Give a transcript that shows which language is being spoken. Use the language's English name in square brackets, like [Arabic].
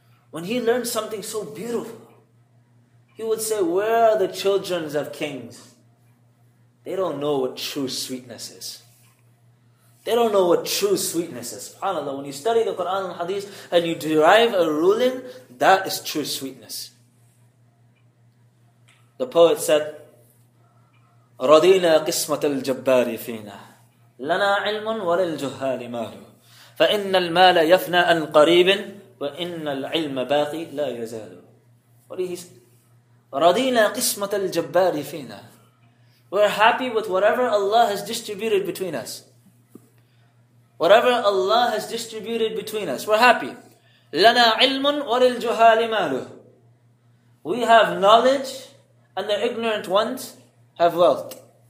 [English] When he learned something so beautiful, he would say, where are the children of kings? They don't know what true sweetness is. They don't know what true sweetness is. SubhanAllah, when you study the Quran and Hadith and you derive a ruling, that is true sweetness. The poet said, [Arabic] رَضِيْنَا قِسْمَةَ الْجَبَّارِ فِينَا لَنَا عِلْمٌ وَلِلْجُهَّالِ مَالُ فَإِنَّ الْمَالَ يَفْنَى أَنْ قَرِيبٍ وَإِنَّ الْعِلْمَ بَاقِي لَا يَزَالُ. [English] What is he saying? [Arabic] رَضِيْنَا قِسْمَةَ الْجَبَّارِ فِينَا. [English] We're happy with whatever Allah has distributed between us. Whatever Allah has distributed between us, we're happy. [Arabic] لَنَا عِلْمٌ وَلِلْجُهَّالِ مَالُ. [English] We have knowledge and the ignorant ones have wealth.